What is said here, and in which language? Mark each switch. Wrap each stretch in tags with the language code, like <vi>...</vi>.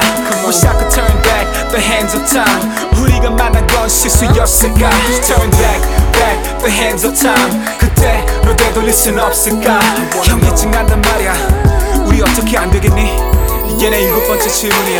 <en>Come on. Wish I could turn back the hands of time.</en> <ko>우리가 만난 건 실수였을까?</ko> <en>Turn back, back the hands of time.</en> <ko>그때로 되돌릴 순 없을까? 형 입증한단 말이야. 우리 어떻게 안 되겠니? 이게 내 일곱 번째 질문이야.</ko>